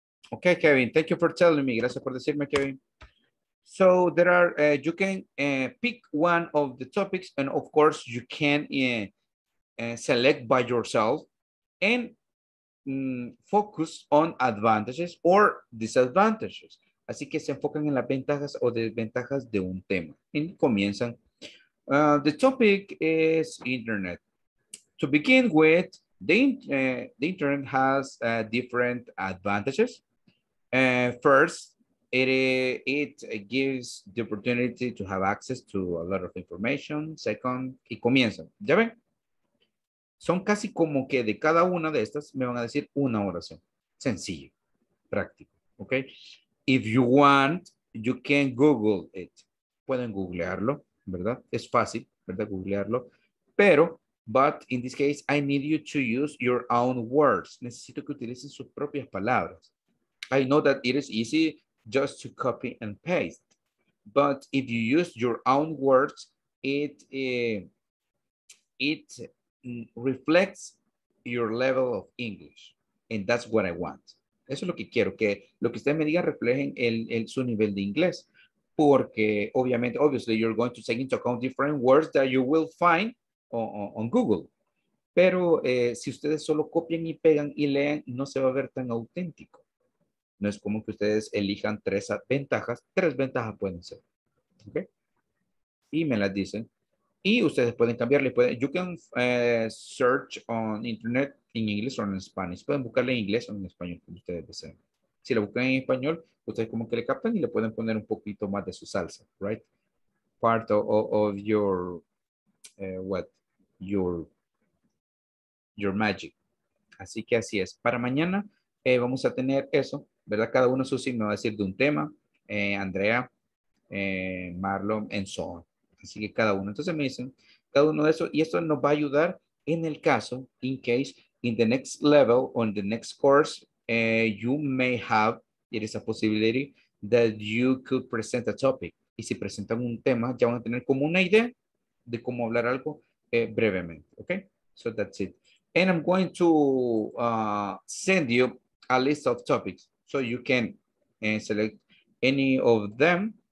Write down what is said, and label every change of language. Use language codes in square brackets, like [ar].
[en] Okay, Kevin, thank you for telling me. [es] Gracias por decirme, Kevin. [en] So there are, you can pick one of the topics, and of course you can select by yourself and focus on advantages or disadvantages. [es] Así que se enfocan en las ventajas o desventajas de un tema. Y comienzan. [en] The topic is internet. To begin with, the internet has different advantages. First, it gives the opportunity to have access to a lot of information. [es] Second, y comienzan. ¿Ya ven? Son casi como que de cada una de estas me van a decir una oración. Sencillo, práctico. [en] ¿Ok? If you want, you can Google it. [es] Pueden googlearlo, ¿verdad? Es fácil, ¿verdad? Googlearlo. [en] Pero, but in this case, I need you to use your own words. [es] Necesito que utilicen sus propias palabras. [en] I know that it is easy just to copy and paste. But if you use your own words, it reflects your level of English. And that's what I want. [es] Eso es lo que quiero, que lo que ustedes me digan reflejen su nivel de inglés. Porque, obviamente, [en] obviously, you're going to take into account different words that you will find on Google. [es] Pero si ustedes solo copian y pegan y leen, no se va a ver tan auténtico. No es como que ustedes elijan tres ventajas pueden ser. ¿Okay? Y me las dicen. Y ustedes pueden cambiarle. [en] You can search on internet in English or in Spanish. [es] Pueden buscarle en inglés o en español, como ustedes deseen. Si lo buscan en español, ustedes como que le captan y le pueden poner un poquito más de su salsa. [en] Right? Part of your, what? Your magic. [es] Así que así es. Para mañana vamos a tener eso. ¿Verdad? Cada uno, Susi, me va a decir de un tema. Andrea, Marlon, [en] and so on. [es] Así que cada uno. Entonces me dicen, cada uno de esos. Y esto nos va a ayudar en el caso, [en] in case, in the next level, on the next course, you may have, it is a possibility that you could present a topic. [es] Y si presentan un tema, ya van a tener como una idea de cómo hablar algo brevemente. [en] Okay? So that's it. And I'm going to send you a list of topics. So you can select any of them.